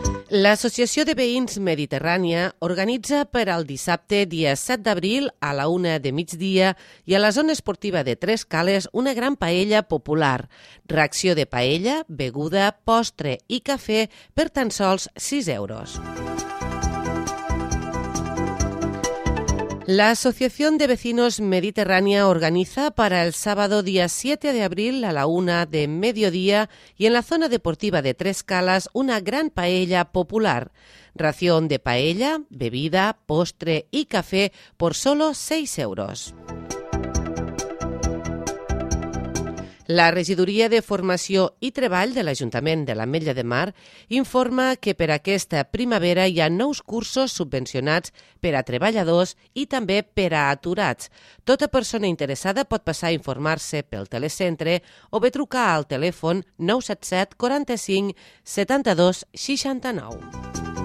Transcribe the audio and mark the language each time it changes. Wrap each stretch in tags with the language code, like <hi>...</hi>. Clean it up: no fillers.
<ca>L'Associació de Veïns Mediterrània organitza per al dissabte, dia 7 d'abril, a la 1 de migdia i a la zona esportiva de Tres Cales, una gran paella popular. Reacció de paella, beguda, postre i cafè per tan sols 6 euros.</ca> <es>La Asociación de Vecinos Mediterránea organiza para el sábado día 7 de abril a la 1 de mediodía y en la zona deportiva de Tres Calas una gran paella popular. Ración de paella, bebida, postre y café por solo 6 euros.</es> <ca>La Regidoria de Formació i Treball de l'Ajuntament de l'Ametlla de Mar informa que per aquesta primavera hi ha nous cursos subvencionats per a treballadors i també per a aturats. Tota persona interessada pot passar a informar-se pel telecentre o bé trucar al telèfon 977 45 72 69.</ca>